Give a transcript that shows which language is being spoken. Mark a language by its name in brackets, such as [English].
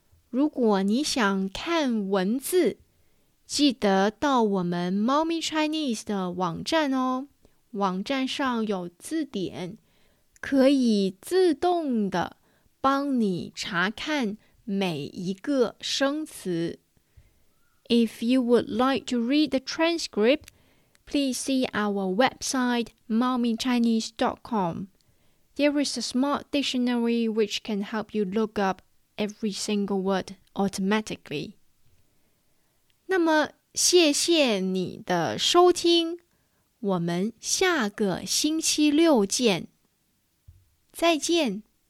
[Chinese] 如果你想看文字，记得到我们猫咪 Chinese 的网站哦，网站上有字典，可以自动的帮你查看每一个生词。 [English] If you would like to read the transcript, please see our website mommychinese.com. There is a smart dictionary which can help you look up every single word automatically. [Chinese] 那么谢谢你的收听，我们下个星期六见，再见。